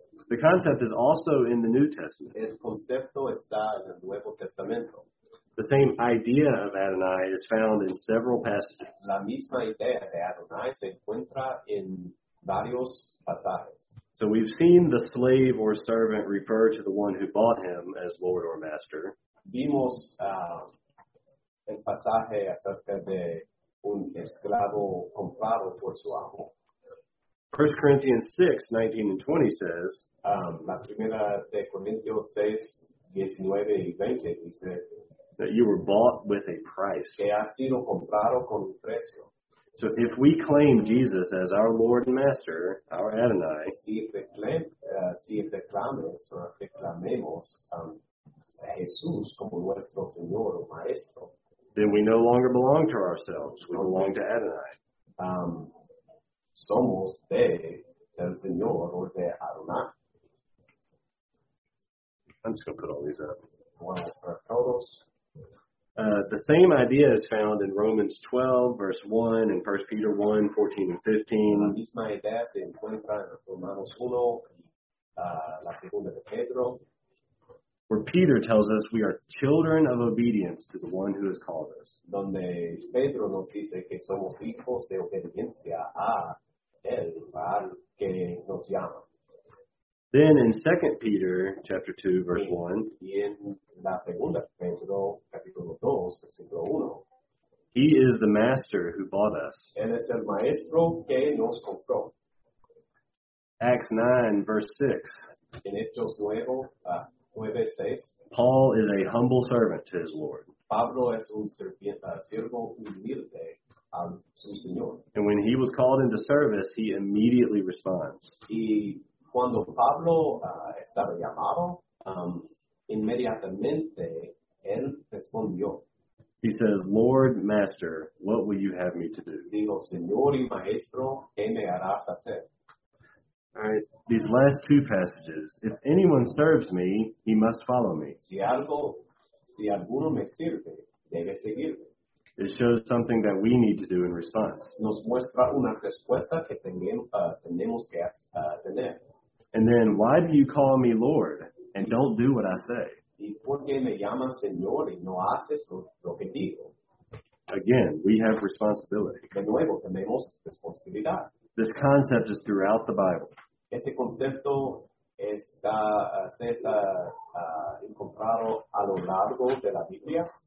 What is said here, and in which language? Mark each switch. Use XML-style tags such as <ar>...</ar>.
<en>The concept is also in the New Testament.</en> <es>El concepto está en el Nuevo Testamento.</es> <en>The same idea of Adonai is found in several passages.</en> <es>La misma idea de Adonai se encuentra en varios pasajes.</es> <en>So we've seen the slave or servant refer to the one who bought him as Lord or Master.</en> <es>Vimos el pasaje acerca de un esclavo comprado por su amo.</es> <en>1 Corinthians 6, 19 and 20 says,</en> <es>la primera de Corintios 6, 19 y 20 dice,</es> <en>that you were bought with a price.</en> <es>Que has sido comprado con un precio.</es> <en>So if we claim Jesus as our Lord and Master, our Adonai,</en> <es>Jesús como nuestro Señor o Maestro,</es> <en>then we no longer belong to ourselves. We belong to Adonai.</en> <es>Somos de el Señor o de Adonai.</es> <en>I'm just going to put all these up.</en> <es>Bueno, para todos.</es> <en>The same idea is found in Romans 12, verse 1, and 1 Peter 1, 14 and 15.</en> <es>La misma idea se encuentra en Romanos 1, la segunda de Pedro.</es> <en>Where Peter tells us we are children of obedience to the one who has called us.</en> <es>Donde Pedro nos dice que somos hijos de obediencia a él, al que nos llama.</es> <en>Then in 2 Peter chapter 2 verse 1,</en> <es>y en la segunda Pedro capítulo 2 versículo 1,</es> <en>he is the master who bought us.</en> <es>Él es el maestro que nos compró.</es> <en>Acts 9 verse 6,</en> <es>en Hechos 9, 6,</es> <en>Paul is a humble servant to his Lord.</en> <es>Pablo es un siervo humilde. Su Señor.</es> <en>And when he was called into service, he immediately responds.</en> <es>Y cuando Pablo estaba llamado, inmediatamente él respondió.</es> <en>He says, Lord, Master, what will you have me to do?</en> <es>Digo, Señor y Maestro, ¿qué me harás hacer?</es> <en>All right, these last two passages. If anyone serves me, he must follow me.</en> <es>Si alguno me sirve, debe seguirme.</es> <en>It shows something that we need to do in response.</en> <es>Nos muestra una respuesta que tenemos que tener.</es> <en>And then, why do you call me Lord and don't do what I say?</en> <es>¿Y por qué me llamas Señor y no haces lo que digo?</es> <en>Again, we have responsibility.</en> <es>De nuevo, tenemos responsabilidad.</es> <en>This concept is throughout the Bible.</en> <es>Este concepto está encontrado a lo largo de la Biblia.</es>